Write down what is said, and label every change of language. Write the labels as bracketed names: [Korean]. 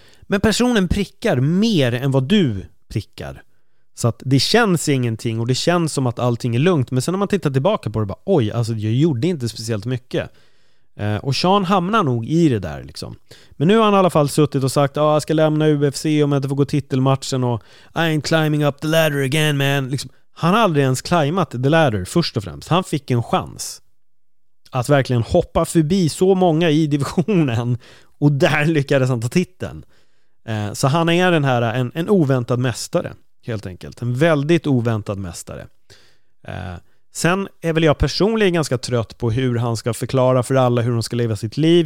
[Swedish] Men personen prickar mer än vad du prickar. Så att det känns ingenting och det känns som att allting är lugnt. Men sen när man tittar tillbaka på det, bara oj, alltså jag gjorde inte speciellt mycket. Och Sean hamnar nog i det där liksom. Men nu har han i alla fall suttit och sagt, jag ska lämna UFC om jag inte får gå titelmatchen. Och [English] I ain't climbing up the ladder again, man. [Swedish] Liksom, han har aldrig ens climbat [English] the ladder [Swedish] först och främst. Han fick en chans att verkligen hoppa förbi så många i divisionen och där lyckades han ta titeln. Så han är den här en oväntad mästare, helt enkelt. En väldigt oväntad mästare. Sen är väl jag personligen ganska trött på hur han ska förklara för alla hur de ska leva sitt liv.